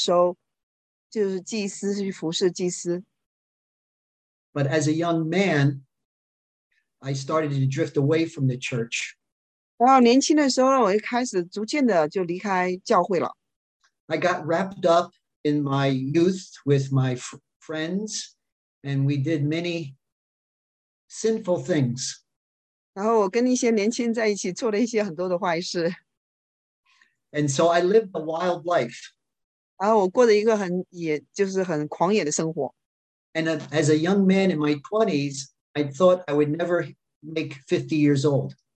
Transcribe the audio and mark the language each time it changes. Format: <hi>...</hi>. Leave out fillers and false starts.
<zh>我是来服侍那个在周日时候，就是祭司去服侍祭司。</zh> <en>But as a young man, I started to drift away from the church.</en> <zh>然后年轻的时候，我就开始逐渐的就离开教会了。</zh> <en>I got wrapped up in my youth with my friends, and we did many sinful things.</en> <zh>然后我跟一些年轻人在一起做了一些很多的坏事。</zh> <en>And so I lived a wild life.</en> <zh>然后我过了一个很野，就是很狂野的生活。</zh> <en>And as a young man in my 20s, I thought I would never make 50 years old.</en>